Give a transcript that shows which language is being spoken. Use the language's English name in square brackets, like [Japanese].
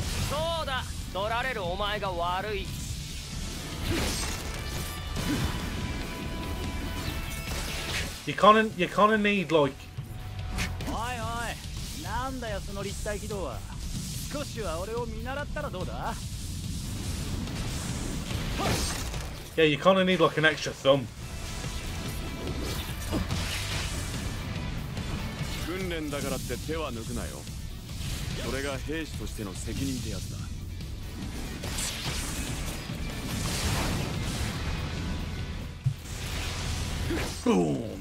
[Japanese] そうだ。取られるお前が悪い。 [English] You kinda need like. [Japanese] おいおい。なんだよその立体軌道は。少しは俺を見習ったらどうだ？ [English] Yeah, you kinda need like an extra thumb. [Japanese] 訓練だからって手は抜くなよ。それが兵士としての責任ってやつだ。ブーン。